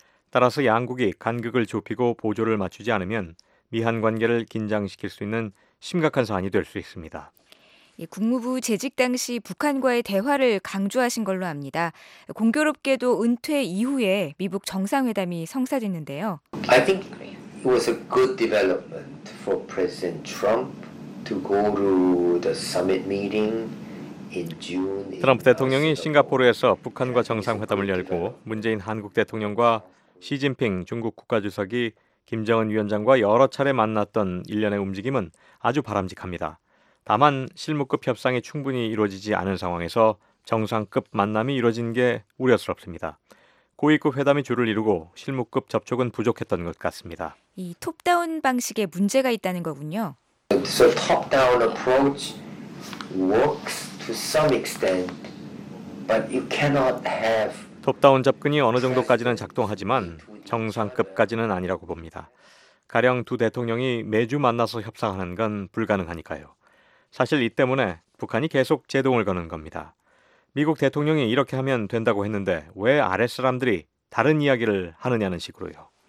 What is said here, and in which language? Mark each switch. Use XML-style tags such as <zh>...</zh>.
<ko>따라서 양국이 간극을 좁히고 보조를 맞추지 않으면 미한 관계를 긴장시킬 수 있는 심각한 사안이 될 수 있습니다. 국무부 재직 당시 북한과의 대화를 강조하신 걸로 압니다. 공교롭게도 은퇴 이후에 미북 정상회담이 성사됐는데요.</ko> <en>I think it was a good development for President Trump to go to the summit meeting in June.</en> <ko>트럼프 대통령이 싱가포르에서 북한과 정상회담을 열고 문재인 한국 대통령과 시진핑 중국 국가주석이 김정은 위원장과 여러 차례 만났던 일련의 움직임은 아주 바람직합니다. 다만 실무급 협상이 충분히 이루어지지 않은 상황에서 정상급 만남이 이루어진 게 우려스럽습니다. 고위급 회담이 주를 이루고 실무급 접촉은 부족했던 것 같습니다. 이 톱다운 방식에 문제가 있다는 거군요.</ko> <en>So top-down approach works to some extent, but you cannot have</en> <ko>톱다운 접근이 어느 정도까지는 작동하지만 정상급까지는 아니라고 봅니다. 가령 두 대통령이 매주 만나서 협상하는 건 불가능하니까요. 사실 이 때문에 북한이 계속 제동을 거는 겁니다. 미국 대통령이 이렇게 하면 된다고 했는데 왜 아래 사람들이 다른 이야기를 하느냐는 식으로요.</ko>